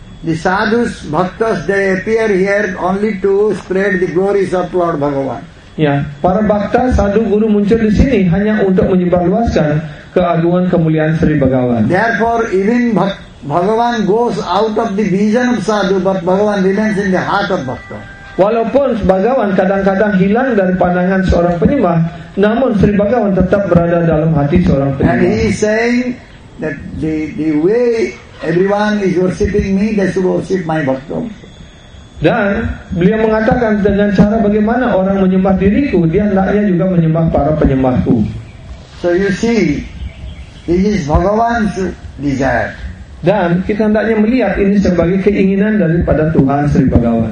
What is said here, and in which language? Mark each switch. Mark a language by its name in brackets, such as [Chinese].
[English] The sadhus bhaktas they appear here only to spread the glories of Lord Bhagawan. [Indonesian] Ya, para bhakta sadhu guru muncul di sini hanya untuk menyebarluaskan keagungan kemuliaan Sri Bhagawan. [English] Therefore even Bhagawan goes out of the vision of sadhu, but Bhagawan remains in the heart of bhakta. [Indonesian] Walaupun Bhagawan kadang-kadang hilang dari pandangan seorang penyembah, namun Sri Bhagawan tetap berada dalam hati seorang penyembah. [English] And he is saying that the way everyone is worshipping me, they should worship my bhakta. [Indonesian] Dan beliau mengatakan dengan cara bagaimana orang menyembah diriku, dia hendaknya juga menyembah para penyembahku. [English] So you see, this is Bhagawan's desire. [Indonesian] Dan kita hendaknya melihat ini sebagai keinginan daripada Tuhan Sri Bhagawan.